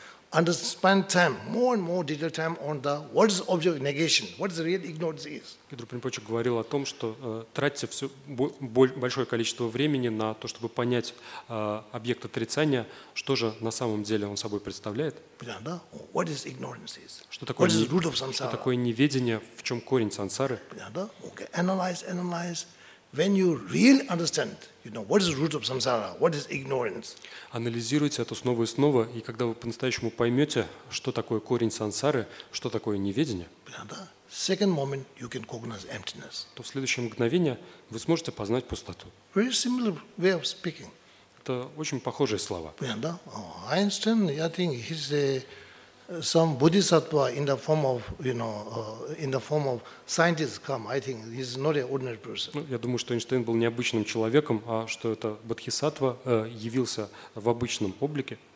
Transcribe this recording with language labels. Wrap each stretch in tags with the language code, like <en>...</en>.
<en>Spend time more and more detailed time on the what is object of negation, what is the real ignorance is.</en> <ru>Кедру Римпоче говорил о том, что тратьте все большое количество времени на то, чтобы понять объект отрицания, что же на самом деле он собой представляет. Понятно?</ru> <en>What is ignorance is.</en> <ru>Что такое,</ru> <en>what is the root of samsara?</en> <ru>Что такое неведение, в чем корень сансары? Понятно?</ru> <en>Okay. Analyze. When you really understand, you know, what is the root of samsara, what is ignorance.</en> <ru>Анализируйте это снова и снова, и когда вы по-настоящему поймете, что такое корень сансары, что такое неведение,</ru> <en>second moment you can cognize emptiness.</en> <ru>То в следующее мгновение вы сможете познать пустоту.</ru> <en>Very similar way of speaking.</en> <ru>Это очень похожие слова.</ru> <en>Einstein, I think he's some bodhisattva in the form of, you know, in the form of scientist come. I think he's not an ordinary person.</en> <ru>Ну, я думаю, что Эйнштейн был необычным человеком, а что это бодхисаттва явился в обычном облике.</ru>